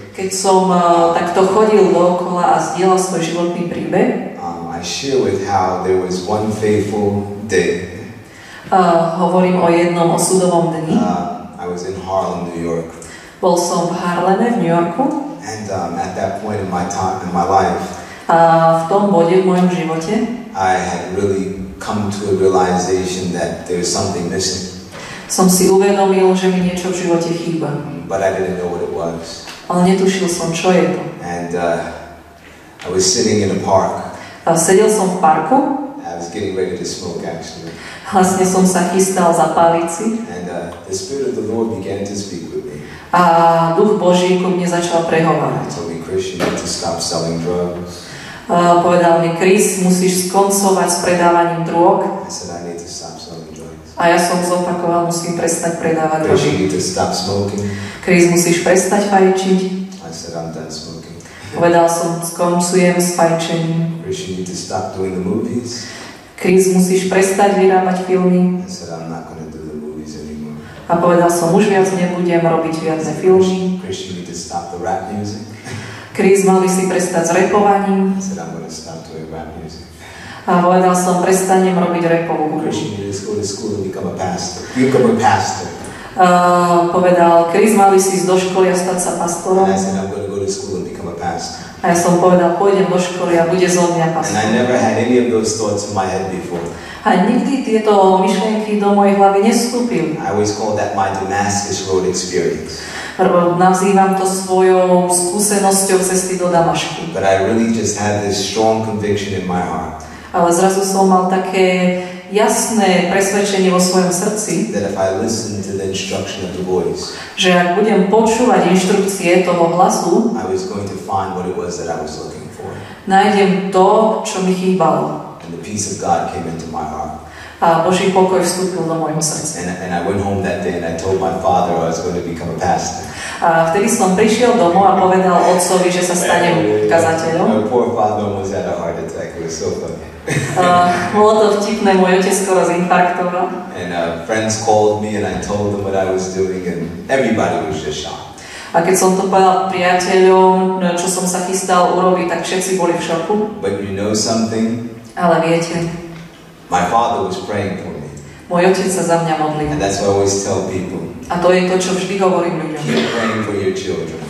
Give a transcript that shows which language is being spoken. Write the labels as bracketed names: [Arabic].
[Slovak] keď som takto chodil dookola a zdieľal svoj životný príbeh, [English] I share with how there was one faithful day. [Slovak] Hovorím o jednom osudovom dni. [English] I was in Harlem, New York. [Slovak] Bol som v Harleme, v New Yorku. [English] And at that point in my time in my life, [Slovak] v tom bode v mojom živote, [English] I had really come to a realization that there's something missing. [Slovak] Som si uvedomil, že mi niečo v živote chýba. [English] But I didn't know what it was. [Slovak] Ale netušil som, čo je to. [English] And I was sitting in a park. [Slovak] Sedel som v parku. [English] I was getting ready to smoke, actually. [Slovak] Vlastne som sa chystal zapáliť si. [English] And the Spirit of the Lord began to speak with me. [Slovak] A Duch Boží ku mne začal prehovárať. [English] Told me, Chris, you need to stop selling drugs. [Slovak] Povedal mi, Chris, musíš skoncovať s predávaním drog. [English] I said, I need to stop selling drugs. [Slovak] A ja som zopakoval, musím prestať predávať drogy. [English] Chris, you need to stop smoking. [Slovak] Chris, musíš prestať fajčiť. [English] I said, I'm done smoking. [Slovak] Povedal som, skoncujem s fajčením. [English] Chris, you need to stop doing the movies. [Slovak] Chris, musíš prestať vyrábať filmy. [English] I said, I'm not gonna do the movies anymore. [Slovak] A povedal som, už viac nebudem robiť viacej filmy. [English] Chris, you need to stop the rap music. [Slovak] Chris, mal by si prestať s rapovaním. [English] I said, I'm gonna stop doing rap music. [Slovak] A povedal som, prestanem robiť rapovú hudbu. [English] Chris, you need to go to school and become a pastor. You become a pastor. [Slovak] Povedal, Chris, mal by si ísť do školy a stať sa pastorom. [English] I said, I'm gonna go to school and become a pastor. [Slovak] A ja som povedal, pôjdem do školy a bude zo mňa pastor. [English] And I never had any of those thoughts in my head before. [Slovak] A nikdy tieto myšlienky do mojej hlavy nestúpil. [English] I always call that my Damascus Road experience. [Slovak] Nazývam to svojou skúsenosťou cesty do Damašku. [English] But I really just had this strong conviction in my heart. [Slovak] Ale zrazu som mal také jasné presvedčenie vo svojom srdci, [English] that if I listen to the instruction of the voice, [Slovak] že ak budem počúvať inštrukcie toho hlasu, [English] I was going to find what it was that I was looking for. for. [Slovak] Nájdem to, čo mi chýbalo. [English] And the peace of God came into my heart. [Slovak] A Boží pokoj vstúpil do môjho srdca. [English] And I went home that day and I told my father I was going to become a pastor. [Slovak] A vtedy som prišiel domov a povedal otcovi, že sa stanem kazateľom. [English] My poor father almost had a heart attack. It was so funny. [Slovak] Bolo to vtipné, môj otec skoro zinfarktoval. [English] And friends called me and I told them what I was doing and everybody was just shocked. [Slovak] A keď som to povedal priateľom, čo som sa chystal urobiť, tak všetci boli v šoku. [English] But you know something? [Slovak] Ale viete? [English] My father was praying for me. [Slovak] Môj otec sa za mňa modlil. [English] And that's what I always tell people. [Slovak] A to je to, čo vždy hovorím ľuďom. [English] Keep praying for your children.